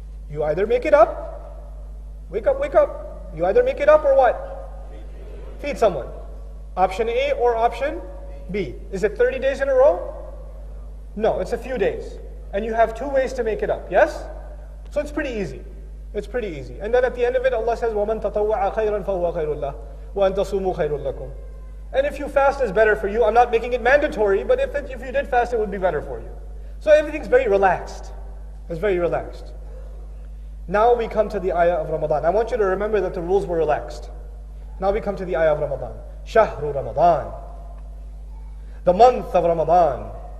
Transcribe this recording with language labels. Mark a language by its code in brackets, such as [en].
[en] You either make it up. Wake up. You either make it up or what? Feed someone. Option A or option B. Is it 30 days in a row? No, it's a few days. And you have two ways to make it up, yes? So it's pretty easy. It's pretty easy. And then at the end of it, Allah says, [ar] وَمَن تَطَوَّعَ خَيْرًا فَهُوَ خَيْرُ اللَّهِ وَأَن تَصُومُوا خَيْرٌ لَكُمْ. [en] And if you fast, it's better for you. I'm not making it mandatory, but if you did fast, it would be better for you. So everything's very relaxed. It's very relaxed. Now we come to the ayah of Ramadan. I want you to remember that the rules were relaxed. Now we come to the ayah of Ramadan. شَهْرُ Ramadan. The month of Ramadan.